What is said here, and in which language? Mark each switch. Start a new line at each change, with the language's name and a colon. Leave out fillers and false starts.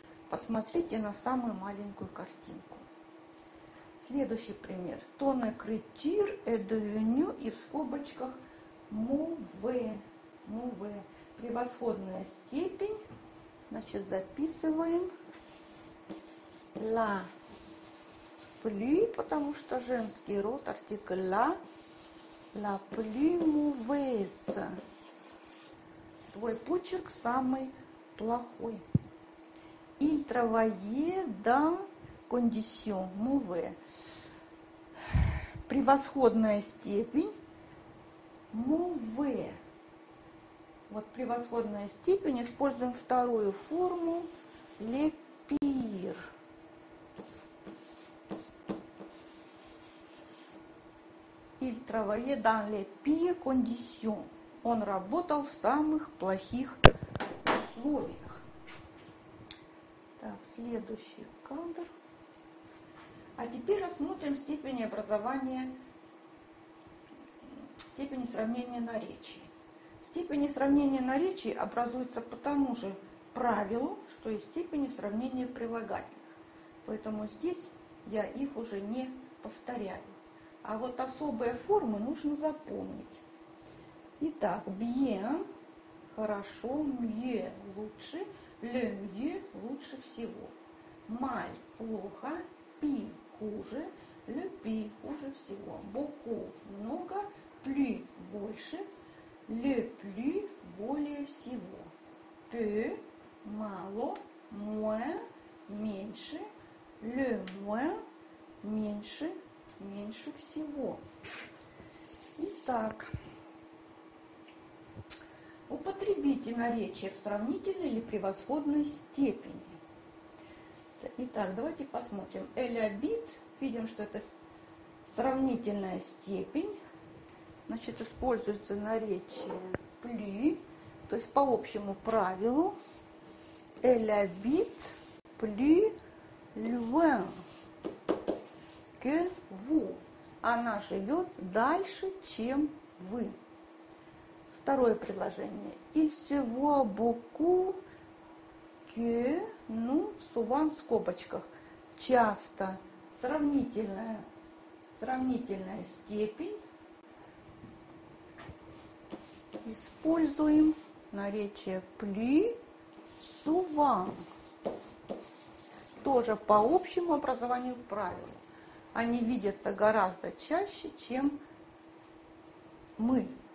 Russian: Посмотрите на самую маленькую картинку. Следующий пример.
French: Ton écriture est devenu
Russian: и в скобочках
French: mauvais.
Russian: Mauvais. Превосходная степень. Значит, записываем la plus, потому что женский род, артикль la.
French: La plus mauvaise.
Russian: Твой почерк самый плохой.
French: Il travaillait dans condition mauvais.
Russian: Превосходная степень. Mauvais. Вот превосходная степень. Используем вторую форму.
French: Le pire. Il travaillait dans les pires conditions.
Russian: Он работал в самых плохих условиях. Так, следующий кадр. А теперь рассмотрим степени образования, степени сравнения наречий. Степени сравнения наречий образуются по тому же правилу, что и степени сравнения прилагательных. Поэтому здесь я их уже не повторяю. А вот особые формы нужно запомнить. Итак, bien, хорошо, mieux, лучше. Le mieux – лучше всего. Mal – плохо. Pi – хуже. Le pi – хуже всего. Beaucoup – много. Plus – больше. Le plus – более всего. Peu – мало. Moins – меньше. Le moins – меньше. Меньше всего. Итак. Употребите наречие в сравнительной или превосходной степени. Итак, давайте посмотрим.
French: Elle habite.
Russian: Видим, что это сравнительная степень. Значит, используется наречие plus. То есть по общему правилу.
French: Elle habite plus loin que vous.
Russian: Она живет дальше, чем вы. Второе предложение.
French: Il se voit beaucoup que nous souvent
Russian: в скобочках. Часто. Сравнительная степень. Используем наречие plus souvent. тоже по общему образованию правила. Они видятся гораздо чаще, чем мы.